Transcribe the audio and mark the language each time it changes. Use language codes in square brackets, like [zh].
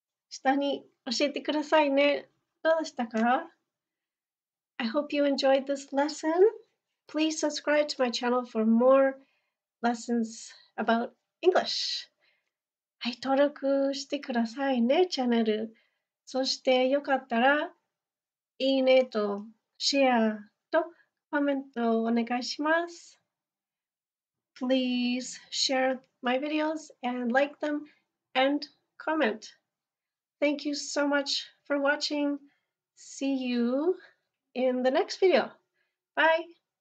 [ja] 下に教えてくださいね。どうでしたか? [en] I hope you enjoyed this lesson. Please subscribe to my channel for more lessons about English. [ja] はい、登録してくださいね、チャンネル。そしてよかったら、いいねとシェアとコメントお願いします。 [en] Please share my videos and like them and comment. Thank you so much for watching. See you in the next video. Bye.